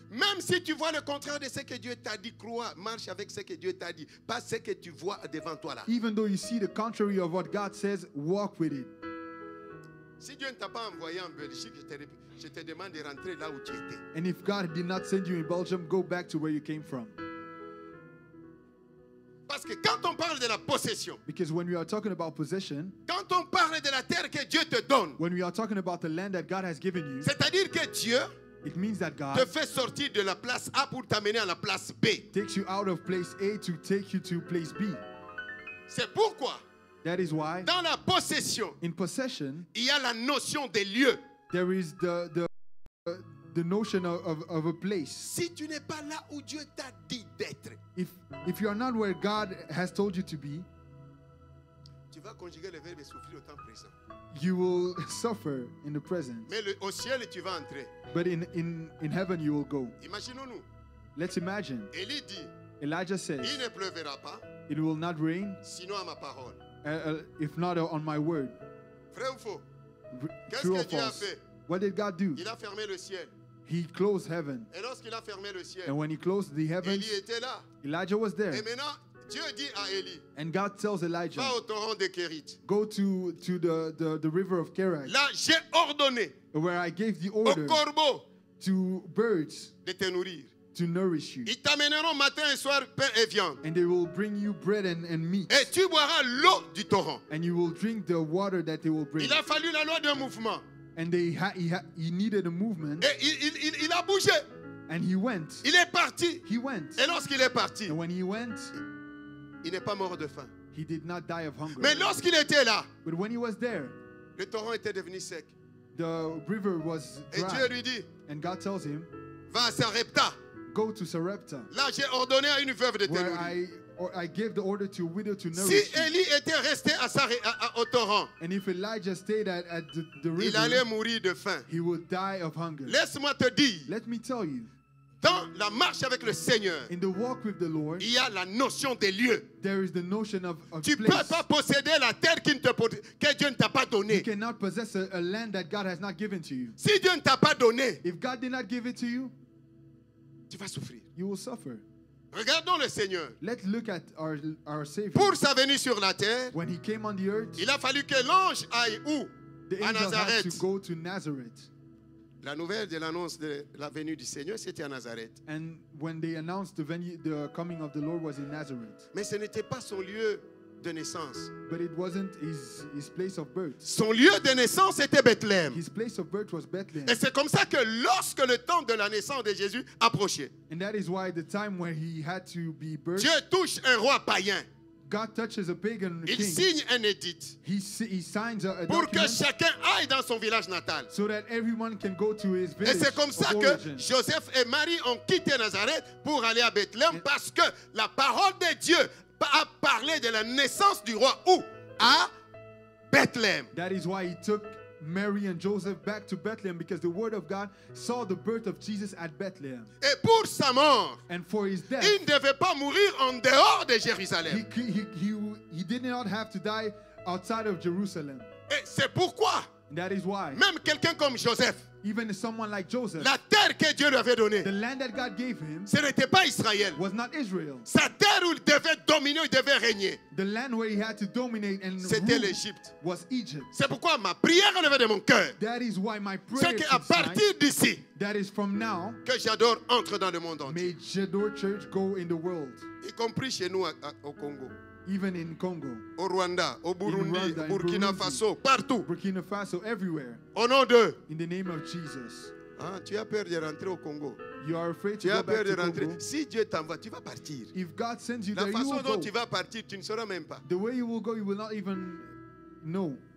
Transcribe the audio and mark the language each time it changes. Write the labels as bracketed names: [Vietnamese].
[French] Même si tu vois le contraire de ce que Dieu t'a dit, crois, marche avec ce que Dieu t'a dit, pas ce que tu vois devant toi là. [English] Even though you see the contrary of what God says, walk with it. [French] Si Dieu ne t'a pas envoyé en Belgique, je te demande de rentrer là où tu étais. [English] And if God did not send you in Belgium, go back to where you came from. [French] Parce que quand on parle de la possession, [English] because when we are talking about possession, [French] quand on parle de la terre que Dieu te donne, [English] when we are talking about the land that God has given you, [French] c'est-à-dire que Dieu, [English] it means that God [French] te fait sortir de la place A pour t'amener à la place B, [English] takes you out of place A to take you to place B. [French] C'est pourquoi, [English] that is why, [French] dans la possession, [English] in possession, [French] il y a la notion des lieux, [English] there is the notion of a place. [French] Si tu n'es pas là où Dieu t'a dit d'être, [English] if you are not where God has told you to be, [French] tu vas conjuguer le verbe souffrir au temps présent. [English] You will suffer in the present. [French] Mais au ciel tu vas entrer. [English] But in heaven you will go. [French] Imaginons-nous. [English] Let's imagine. [French] Élie dit, [English] Elijah says, [French] il ne pleuvera pas. [English] It will not rain. [French] Sinon à ma parole. [English] If not on my word. [French] Vrai ou faux? [English] True or false? What did God do? [French] Il a fermé le ciel. [English] He closed heaven. [French] Et lorsqu'il a fermé le ciel, [English] and when he closed the heavens, [French] Elie était là. [English] Elijah was there. [French] Et maintenant, Dieu dit à Elie, [English] and God tells Elijah, [French] va au torrent de Kérit. [English] Go to the river of Kérit. [French] Là, j'ai ordonné, [English] where I gave the order, [French] aux corbeaux, [English] to birds, [French] de te nourrir, [English] to nourish you. [French] Ils t'amèneront matin et soir pain et viande. [English] And they will bring you bread and meat. [French] Et tu boiras l'eau du torrent. [English] And you will drink the water that they will bring. [French] Il a fallu la loi d'un mouvement. [English] And he needed a movement. [French] Et il a bougé. [English] And he went. [French] Il est parti. [English] He went. [French] Et lorsqu'il est parti, [English] and when he went, [French] il n'est pas mort de faim. [English] He did not die of hunger. [French] Mais lorsqu'il était là, [English] but when he was there, [French] le torrent était devenu sec. [English] The river was dry. [French] Et Dieu lui dit, [English] and God tells him, [French] va à Sarepta. [English] Go to Sarepta. [French] Là, j'ai ordonné à une veuve de Télonie. [English] I gave the order to a widow to nourish. [French] Si Élie était resté à au torrent, [English] and if Elijah stayed at the river, [French] il allait mourir de faim. [English] He would die of hunger. [French] Laisse-moi te dire. [English] Let me tell you. [French] Dans la marche avec le Seigneur, [English] in the walk with the Lord, [French] il y a la notion des lieux. [English] There is the notion of [French] tu [English] place. [French] Peux pas posséder la terre que Dieu ne t'a pas donnée. [English] You cannot possess a land that God has not given to you. [French] Si Dieu ne t'a pas donné, [English] if God did not give it to you, [French] tu vas souffrir. [English] You will suffer. [French] Regardons le Seigneur. [English] Let's look at our Savior. [French] Pour sa venue sur la terre, [English] when he came on the earth, [French] il a fallu que l'ange aille où? [English] The angel [French] à Nazareth. [English] Had to go to Nazareth. [French] La nouvelle de l'annonce de la venue du Seigneur, c'était à Nazareth. [English] And when they announced the coming of the Lord was in Nazareth. [French] Mais ce n'était pas son lieu de naissance. [English] But it wasn't his place of birth. [French] Son lieu de naissance était Bethléem. [English] His place of birth was Bethlehem. [French] Et c'est comme ça que lorsque le temps de la naissance de Jésus approchait. [English] And that is why the time when he had to be birthed. [French] Dieu touche un roi païen. [English] God touches a pagan [French] il [English] king. [French] Il signe un édit. [English] He signs a [French] pour que chacun aille dans son village natal. [English] So that everyone can go to his village. [French] Et c'est comme ça que Joseph et Marie ont quitté Nazareth pour aller à Bethléem parce que la parole de Dieu a parlé de la naissance du roi où? À Bethléem. [English] That is why he took Mary and Joseph back to Bethlehem because the word of God saw the birth of Jesus at Bethlehem. [French] Et pour sa mort, [English] and for his death, [French] il ne devait pas mourir en dehors de Jérusalem. [English] He did not have to die outside of Jerusalem. [French] Et c'est pourquoi, [English] that is why, [French] même quelqu'un comme Joseph, [English] even someone like Joseph, [French] la terre que Dieu lui avait donnée, [English] the land that God gave him, [French] ce n'était pas Israël. [English] Was not Israel. [French] Sa terre où il devait dominer, il devait régner. [English] The land where he had to dominate and [French] c'était l'Égypte. [English] Was Egypt. [French] C'est pourquoi ma prière levée de mon cœur. [English] That is why my prayer. [French] C'est qu'à partir d'ici, [English] that is from now, [French] que J'adore entre dans le monde entier. [English] May J'adore Church go in the world. [French] Y compris chez nous au Congo. [English] Even in Congo, [French] au Rwanda, au Burundi, [English] in Rwanda, [French] Burkina [English] Burundi, [French] Faso, partout. [English] Burkina Faso, everywhere. [French] Au nom de. [English] In the name of Jesus. [French] Ah, tu as peur de rentrer au Congo. [English] You are afraid to [French] tu [English] go [French] as peur [English] back [French] de [English] to [French] rentrer. [English] Congo. [French] Si Dieu t'envoie, tu vas partir. [English] If God sends you [French] la [English] there, [French] façon [English] you will [French] dont [English] go. [French] Tu vas partir, tu ne sauras même pas. [English] The way you will go, you will not even know.